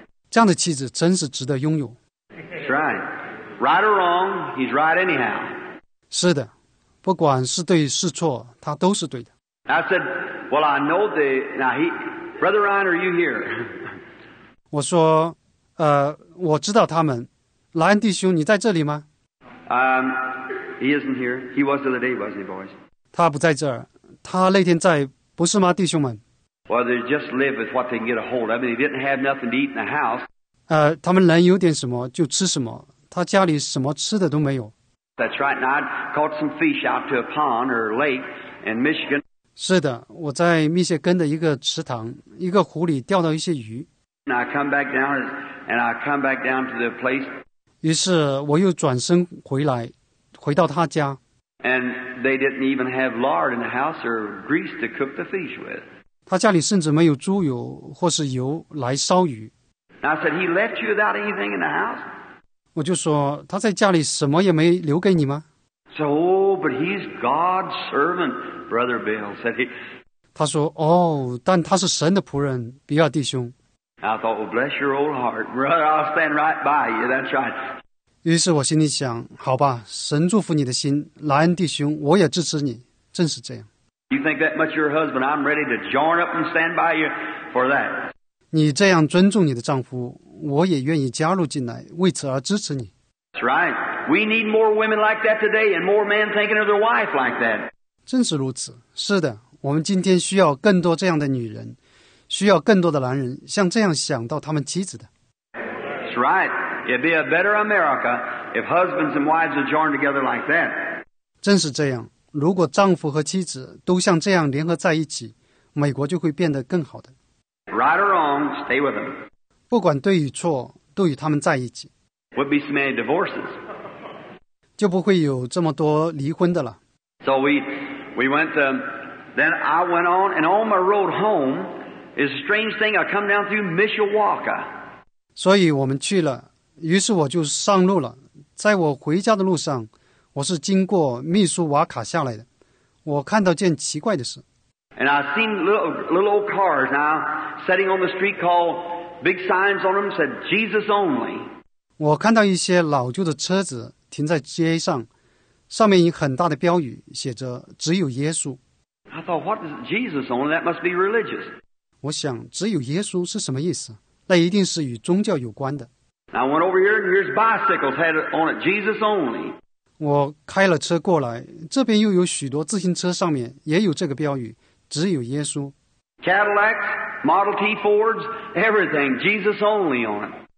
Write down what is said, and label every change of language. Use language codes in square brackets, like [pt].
[zh] 这样的妻子真是值得拥有。 [en] That's right. Right or wrong, he's right anyhow. [zh] 是的，不管是对是错，他都是对的。 [en] I said, well, I know the now he, Brother Ryan, are you here? [zh] 我说，我知道他们。莱恩弟兄，你在这里吗？ [en] He isn't here. He was the other day, wasn't he, boys? [zh] 他不在这儿。他那天在，不是吗，弟兄们 [en] ？Well, they just live with what they can get a hold of. They didn't have nothing to eat in the house. [zh] 他们能有点什么就吃什么。他家里什么吃的都没有。 [en] That's right. And I caught some fish out to a pond or lake in Michigan. [zh] 是的，我在密歇根的一个池塘、一个湖里钓到一些鱼。 [en] And I come back down, and I come back down to the place. [zh] 于是我又转身回来，回到他家。 [en] And they didn't even have lard in the house or grease to cook the fish with. [zh] 他家里甚至没有猪油或是油来烧鱼。 [en] I said, he left you without anything in the house? [zh] 我就说，他在家里什么也没留给你吗？ [en] So, but he's God's servant, Brother Bill, said he. [zh] 他说，哦，但他是神的仆人，比尔弟兄。 [en] I thought, well, bless your old heart, brother. I'll stand right by you. That's right. [zh] 于是我心里想，好吧，神祝福你的心，莱恩弟兄，我也支持你。正是这样。 [en] You think that much of your husband? I'm ready to join up and stand by you for that. [zh] 你这样尊重你的丈夫，我也愿意加入进来，为此而支持你。 [en] That's right. We need more women like that today, and more men thinking of their wife like that. [zh] 正是如此。是的，我们今天需要更多这样的女人。需要更多的男人像这样想到他们妻子的。 [en] That's right. It'd be a better America if husbands and wives are joined together like that. [zh] 正是这样，如果丈夫和妻子都像这样联合在一起，美国就会变得更好的。 [en] Right or wrong, stay with them. [zh] 不管对与错，都与他们在一起。 [en] Would be so many divorces. [zh] 就不会有这么多离婚的了。 [en] So we went to, then I went on and on my road home. It's a strange thing. I come down through Mishawaka. [zh] 所以我们去了，于是我就上路了。在我回家的路上，我是经过密苏瓦卡下来的。我看到件奇怪的事。 [en] And I seen little old cars now sitting on the street called big signs on them said Jesus only. [zh] 我看到一些老旧的车子停在街上，上面有很大的标语，写着只有耶稣。 [en] I thought, what is Jesus only? That must be religious. [zh] 我想只有耶稣是什么意思？那一定是与宗教有关的。 [en] I went over here and here's bicycles had on it, Jesus only. [zh] 我开了车过来，这边又有许多自行车上面也有这个标语，只有耶稣。 [en] Cadillacs, Model T Fords, everything, Jesus only on it.